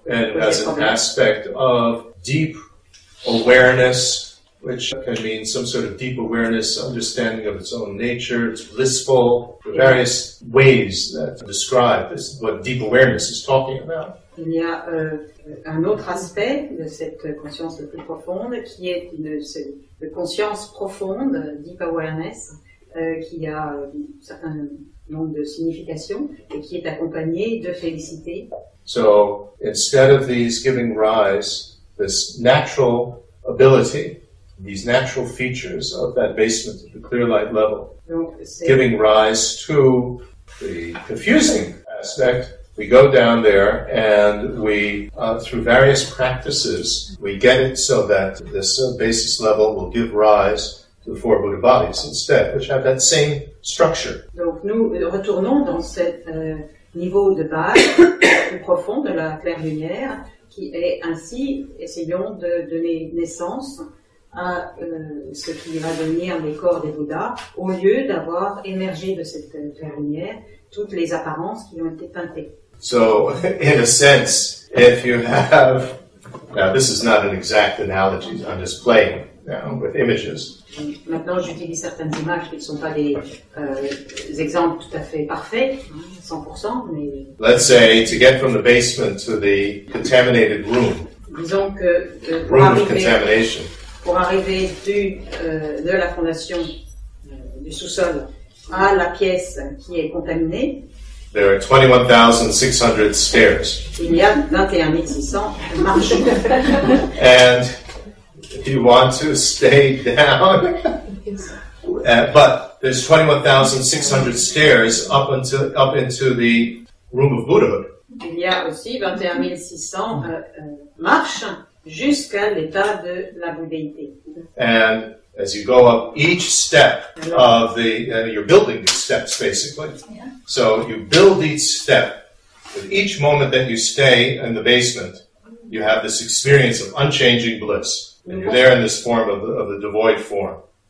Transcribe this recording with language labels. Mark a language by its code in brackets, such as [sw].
[en] And has an aspect of deep awareness, which can mean some sort of deep awareness, understanding of its own nature, its blissful, the various ways that describe this, what deep awareness is talking about. [fr] Il y a un autre aspect de cette conscience le plus profonde, qui est une conscience profonde, deep awareness, qui a certains nombre de significations et qui est accompagné de félicité. [en] So, instead of these giving rise, this natural ability, these natural features of that basement, the clear light level, giving rise to the confusing aspect, we go down there and we, through various practices, we get it so that this basis level will give rise the four Buddha bodies instead, which have that same structure. [fr] Donc nous retournons dans cet niveau de base plus profond de la claire lumière, qui est ainsi, essayons de donner naissance à ce qui va devenir les corps des Bouddhas, au lieu d'avoir émergé de cette claire lumière toutes les apparences qui ont été teintées. [en] So, in a sense, if you have... Now, this is not an exact analogy, I'm just playing. Now, with images. [fr] Maintenant, j'utilise certaines images qui ne sont pas des exemples tout à fait parfaits, 100%, mais... [en] Let's say, to get from the basement to the contaminated room. [fr] Disons que... Pour arriver de la fondation du sous-sol à la pièce qui est contaminée, [en] there are 21,600 stairs. [fr] Il y a 21,600 marches. [en] And... If you want to stay down, but there's 21,600 stairs up into the room of Buddhahood. [fr] Il y a aussi 21,600 marches jusqu'à l'état de la Bouddhéité. [en] And as you go up each step of the, you're building these steps basically. Yeah. So you build each step. With each moment that you stay in the basement, you have this experience of unchanging bliss. And you're there in this form of the devoid form.